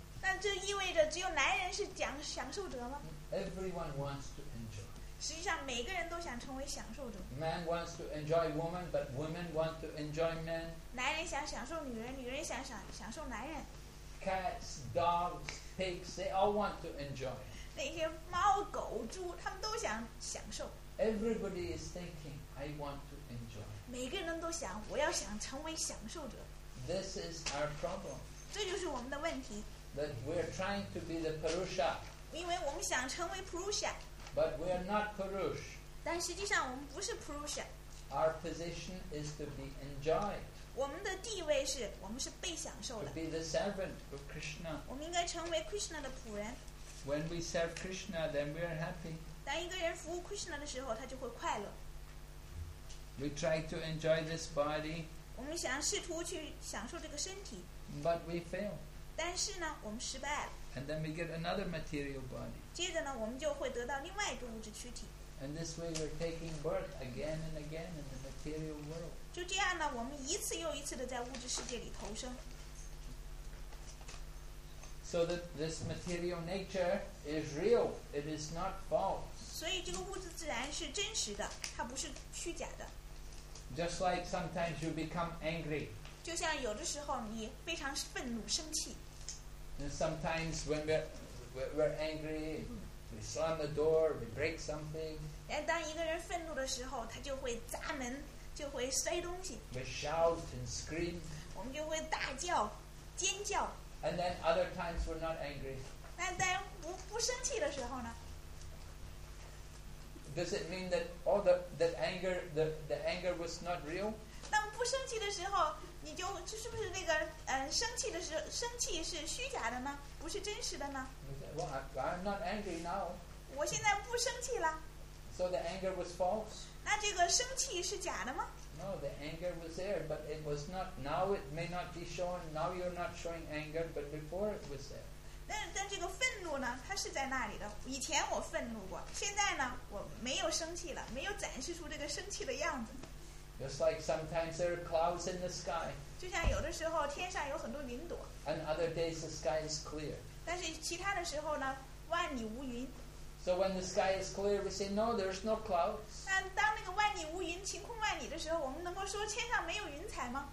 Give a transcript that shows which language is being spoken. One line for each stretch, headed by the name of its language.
Chinese: 那这意味着只有男人是享受者吗？
English: Everyone wants to enjoy.
Chinese: 实际上，每个人都想成为享受者。
English: Man wants to enjoy woman, but women want to enjoy men.
Chinese: 男人想享受女人，女人想享受男人。
English: Cats, dogs, pigs, they all want to enjoy.
Chinese: 那些猫、狗、猪，他们都想享受。
English: Everybody is thinking, I want to enjoy.
Chinese: 每个人都想，我要想成为享受者。
English: This is our problem.
Chinese: 这就是我们的问题。
English: That we're trying to be the Purusha.
Chinese: 因为我们想成为 Purusha，
English: but we are not Purush。
Chinese: 但实际上我们不是 Purusha。
English: Our position is to be enjoyed。
Chinese: 我们的地位是我们是被享受的。
English: To be the servant of Krishna。
Chinese: 我们应该成为 Krishna 的仆人。
English: When we serve Krishna, then we are happy。
Chinese: 当一个人服务 Krishna 的时候，他就会快乐。
English: We try to enjoy this body。
Chinese: 我们想试图去享受这个身体。
English: But we fail。
Chinese: 但是呢，我们失败了。
English: And then we get another material body.
Chinese: 接着呢，我们就会得到另外一个物质躯体。
English: And this way, we're taking birth again and again in the material world.
Chinese: 就这样呢，我们一次又一次的在物质世界里投生。
English: So that this material nature is real; it is not false.
Chinese: 所以这个物质自然是真实的，它不是虚假的。
English: Just like sometimes you become angry.
Chinese: 就像有的时候你非常愤怒、生气。
English: And sometimes when we're angry, we slam the door, we break something.
Chinese: 当一个人愤怒的时候，他就会砸门，就会摔东西。
English: We shout and scream.
Chinese: 我们就会大叫、尖叫。
English: And then other times we're not angry.
Chinese: 但当不生气的时候呢？
English: Does it mean that all that anger, the anger was not real?
Chinese: 当不生气的时候。你就这是不是那个生气的是生气是虚假的呢？不是真实的呢
English: ？Well, I'm not angry now.
Chinese: 我现在不生气了。
English: So the anger was false.
Chinese: 那这个生气是假的吗
English: ？No, the anger was there, but it was not. Now it may not be shown. Now you're not showing anger, but before it was there.
Chinese: 但这个愤怒呢？它是在那里的。以前我愤怒过，现在呢，我没有生气了，没有展示出这个生气的样子。
English: Just like sometimes there are clouds in the sky.
Chinese: 就像有的时候天上有很多云朵。
English: And other days the sky is clear.
Chinese: 但是其他的时候呢，万里无云。
English: So when the sky is clear, we say no, there's no clouds.
Chinese: 但当那个万里无云、晴空万里的时候，我们能够说天上没有云彩吗